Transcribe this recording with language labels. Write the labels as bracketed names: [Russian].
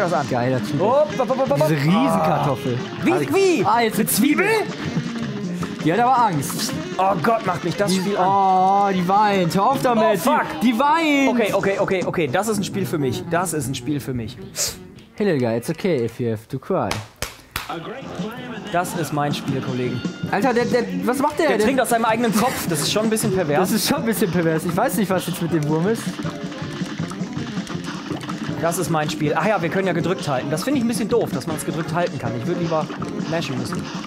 [German] Geiler Zwiebel. Oh, diese Riesenkartoffel. Ah. Wie? Ah, jetzt eine Zwiebel? Die hat aber Angst. Oh Gott, macht mich das die, Spiel an. Oh, die weint. Hör auf damit. [English] Oh, fuck. [German] Die weint. Okay, das ist ein Spiel für mich. [English] Hey little guy, it's okay if you have to cry. [German] Das ist mein Spiel, Kollegen. Alter, was macht der? Der trinkt aus seinem eigenen Kopf. Das ist schon ein bisschen pervers. Das ist schon ein bisschen pervers. Ich weiß nicht, was jetzt mit dem Wurm ist. Das ist mein Spiel. Ach ja, wir können ja gedrückt halten. Das finde ich ein bisschen doof, dass man es gedrückt halten kann. Ich würde lieber mashen müssen.